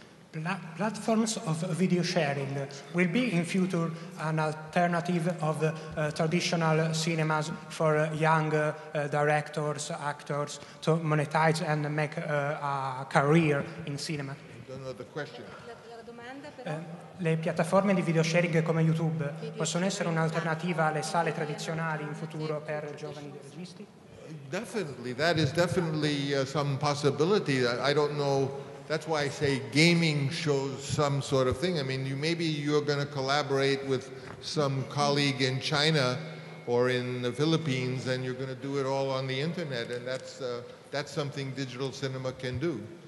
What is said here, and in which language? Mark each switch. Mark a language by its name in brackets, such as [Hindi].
[English] Platforms of video sharing will be in future an alternative of traditional cinemas for young directors, actors to monetize and make a career in cinema. I don't know the question. [Italian] Le piattaforme di video sharing come YouTube possono essere un'alternativa alle sale tradizionali in futuro per giovani registi? [English] Definitely, that is definitely some possibility. I don't know. That's why I say gaming shows some sort of thing. I mean, you're going to collaborate with some colleague in China or in the Philippines, and you're going to do it all on the internet, and that's something digital cinema can do.